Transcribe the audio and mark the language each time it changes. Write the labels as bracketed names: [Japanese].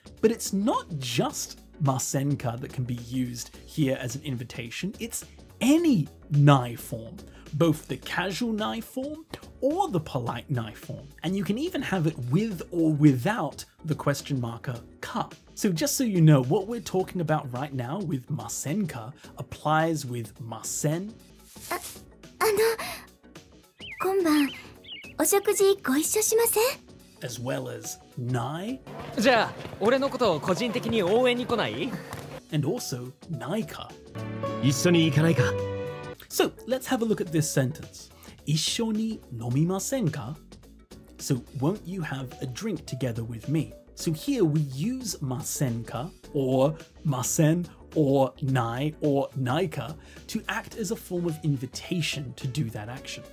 [English] But it's not just ませんか that can be used here as an invitation, it's any ni form, both the casual ni form or the polite ni form. And you can even have it with or without the question marker ka. So just so you know, what we're talking about right now with ませんか applies with ません. [Japanese] あの、今晩お食事ご一緒しません? [English] As well as nai. [Japanese] じゃあ、俺のことを個人的に応援に来ない? [English] And also naika. [Japanese] 一緒に行かないか? [English] So let's have a look at this sentence. [Japanese] 一緒に飲みませんか? [English] So won't you have a drink together with me? So here we use ませんか or ません or nai or naika to act as a form of invitation to do that action.